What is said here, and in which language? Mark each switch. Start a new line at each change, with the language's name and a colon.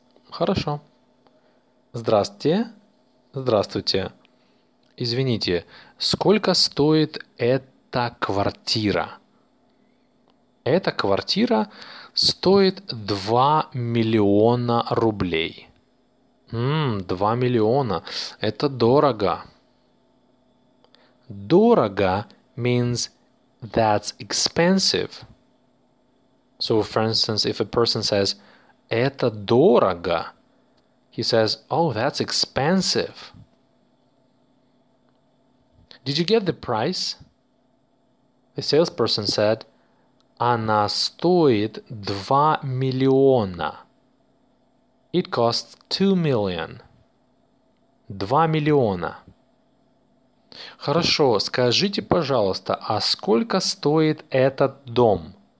Russian: Хорошо. Здравствуйте. Здравствуйте. Извините, сколько стоит эта квартира? Эта квартира стоит 2 миллиона рублей. 2 миллиона. Это дорого. Дорого
English: means that's expensive. So, for instance, if a person says,
Russian: это дорого,
English: he says, oh, that's expensive. Did you get the price? The salesperson said,
Russian: она стоит 2 миллиона.
English: It costs 2 million.
Russian: 2 миллиона. Хорошо, скажите, пожалуйста, а сколько стоит этот дом?